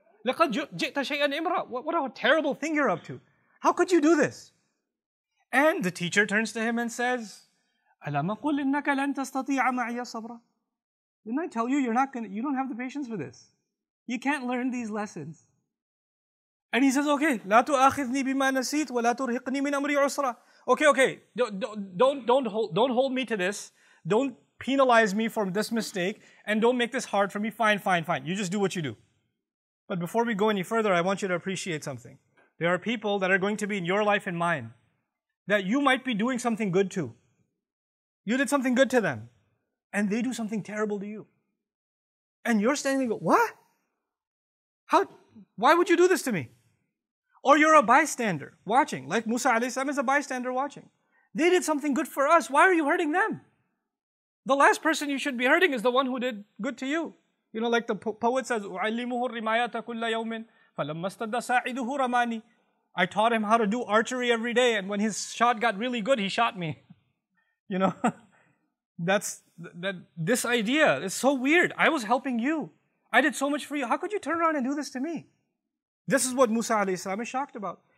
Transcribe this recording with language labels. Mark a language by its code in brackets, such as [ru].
[ar] لَقَدْ جِئْتَ شَيْئًا إِمْرًا. [en] What a terrible thing you're up to. How could you do this? And the teacher turns to him and says, [ar] أَلَمَ قُلْ إِنَّكَ لَنْ تَسْتَطِيعَ مَعِيَ صَبْرًا. [en] Didn't I tell you, you don't have the patience for this. You can't learn these lessons. And he says, okay, [ar] لَا تُؤَخِذْنِي بِمَا نَسِيتْ وَلَا تُرْهِقْنِي مِنْ أَمْرِي عُسْرًا. [en] Okay, don't hold me to this. Don't penalize me for this mistake. And don't make this hard for me. Fine. You just do what you do. But before we go any further, I want you to appreciate something. There are people that are going to be in your life and mine that you might be doing something good to. You did something good to them. And they do something terrible to you. And you're standing there and go, what? Why would you do this to me? Or you're a bystander watching, like Musa alayhi salam is a bystander watching. They did something good for us. Why are you hurting them? The last person you should be hurting is the one who did good to you. You know, like the poet says, [ar] أُعَلِّمُهُ الرِّمَايَةَ كُلَّ يَوْمٍ فَلَمَّا اسْتَدَّ سَاعِدُهُ رَمَانِي. [en] I taught him how to do archery every day, and when his shot got really good, he shot me. You know, this idea is so weird. I was helping you. I did so much for you. How could you turn around and do this to me? This is what Musa alayhi salam is shocked about.